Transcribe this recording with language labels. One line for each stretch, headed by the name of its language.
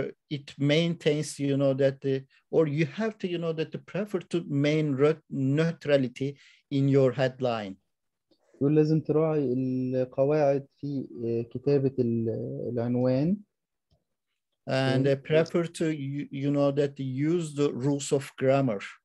English: It maintains, you know, that or you have to, you know, that the prefer to main neutrality in your headline.
Arabic: لازم تراعي القواعد في كتابة العنوان.
English: And I prefer to, you know, that use the rules of grammar.